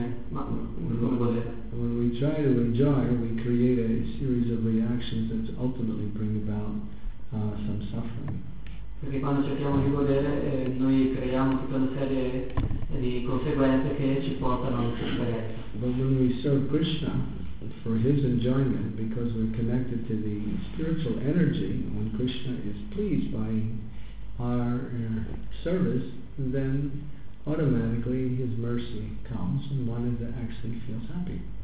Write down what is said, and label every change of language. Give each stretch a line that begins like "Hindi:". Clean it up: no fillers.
English: When we try to enjoy, we create a series of reactions that ultimately bring about some suffering.
Italian: Perché quando cerchiamo di godere, noi creiamo tutta una serie di conseguenze che ci portano alla sofferenza.
English: But when we serve Krishna for his enjoyment, because we're connected to the spiritual energy, when Krishna is pleased by our service, then automatically his mercy comes and one actually feels happy.